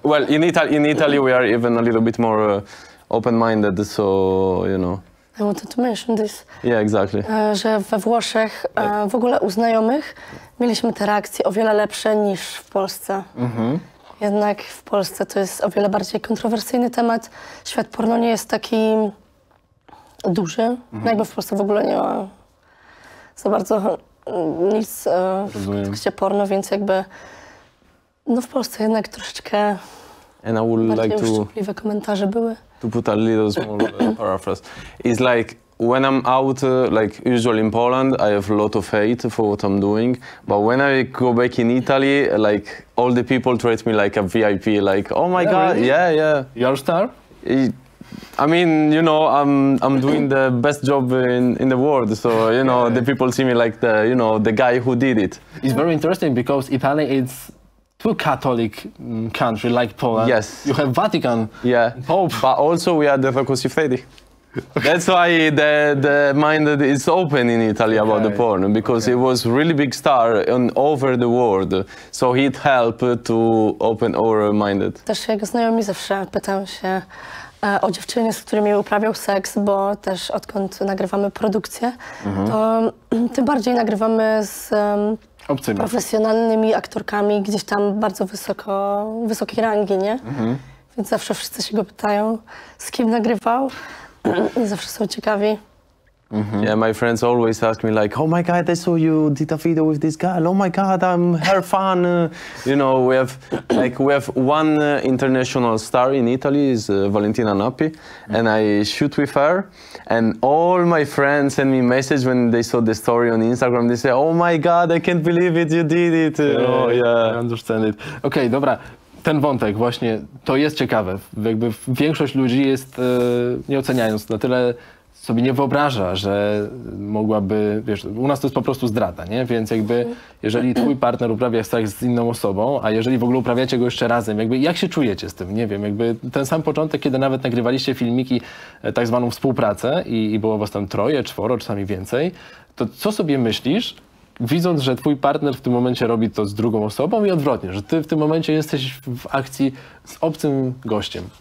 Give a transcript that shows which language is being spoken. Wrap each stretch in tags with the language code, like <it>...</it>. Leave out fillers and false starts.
<en>Well, in Italy we are even a little bit more open-minded, so, you know. I wanted to mention this. Yeah, exactly.</en> <pl>Że we Włoszech, w ogóle u znajomych, mieliśmy te reakcje o wiele lepsze niż w Polsce. Jednak w Polsce to jest o wiele bardziej kontrowersyjny temat. Świat porno nie jest taki duży. No jakby w Polsce w ogóle nie ma za bardzo nic w kontekście porno, więc jakby no w Polsce jednak troszeczkę bardziej uszczupliwe komentarze były.</pl> <en>To put a little small paraphrase, it's like when I'm out, like usually in Poland, I have a lot of hate for what I'm doing. But when I go back in Italy, like all the people treat me like a VIP, like, oh my god, really? Yeah, yeah. You're a star? I mean, you know, I'm doing the best job in the world. So, you know, the people see me like the, you know, the guy who did it. It's very interesting because Italy is to Catholic country like Poland. Yes. You have Vatican. Yeah. Pope. But also we are the Crucifix Fede. That's why the mind is open in Italy about the porn, because it was really big star on over the world. So it helped to open our mind.</en> <pl>Też jego znajomi zawsze pytają się o dziewczyny, z którymi uprawiał seks, bo też odkąd nagrywamy produkcję, to tym bardziej nagrywamy z obcymi. Profesjonalnymi aktorkami, gdzieś tam bardzo wysoko, wysokiej rangi, nie? Więc zawsze wszyscy się go pytają, z kim nagrywał. I zawsze są ciekawi.</pl> <en>Yeah, my friends always ask me like, oh my god, I saw you did a video with this girl, oh my god, I'm her fan. You know, we have like one international star in Italy, is Valentina Nappi, and I shoot with her, and all my friends send me message when they saw the story on Instagram, they say, oh my god, I can't believe it, you did it. Oh yeah, I understand it. Okay, dobra.</en> <pl>Ten wątek właśnie, to jest ciekawe, jakby większość ludzi jest, nie oceniając, na tyle sobie nie wyobraża, że mogłaby, wiesz, u nas to jest po prostu zdrada, nie? Więc jakby, jeżeli twój partner uprawia seks z inną osobą, a jeżeli w ogóle uprawiacie go jeszcze razem, jakby jak się czujecie z tym, nie wiem, jakby ten sam początek, kiedy nawet nagrywaliście filmiki, tak zwaną współpracę i było was tam troje, czworo, czasami więcej, to co sobie myślisz, widząc, że twój partner w tym momencie robi to z drugą osobą i odwrotnie, że ty w tym momencie jesteś w akcji z obcym gościem?</pl>